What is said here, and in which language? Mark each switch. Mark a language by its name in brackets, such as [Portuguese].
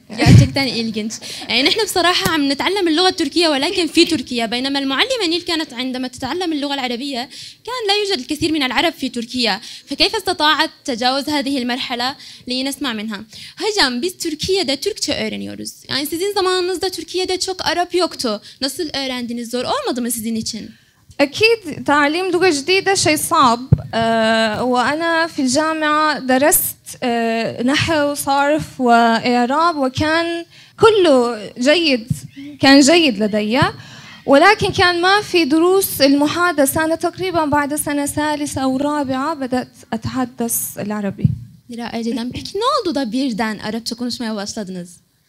[Turkish] Gerçekten ilginç. [Arabic] Yani نحن بصراحة عم نتعلم اللغة التركية ولكن في تركيا، بينما المعلمة نيل كانت عندما تتعلم اللغة العربية كان لا يوجد الكثير من العرب في تركيا، فكيف استطاعت تجاوز هذه المرحلة لنسمع منها؟ هجم [Turkish] biz Türkiye'de Türkçe öğreniyoruz. Yani sizin zamanınızda Türkiye'de çok Arap yoktu. Nasıl öğrendiniz? Zor olmadı mı sizin için? [Arabic] أكيد تعليم لغة جديدة شيء صعب، وأنا في الجامعة درست نحو صرف وإعراب، وكان كله جيد، كان جيد لدي، ولكن كان ما في دروس المحادثة. أنا تقريبا بعد سنة ثالثة أو رابعة بدأت أتحدث العربي. رائع جدا. [Turkish] peki ne oldu da birden Arapça konuşmaya başladınız?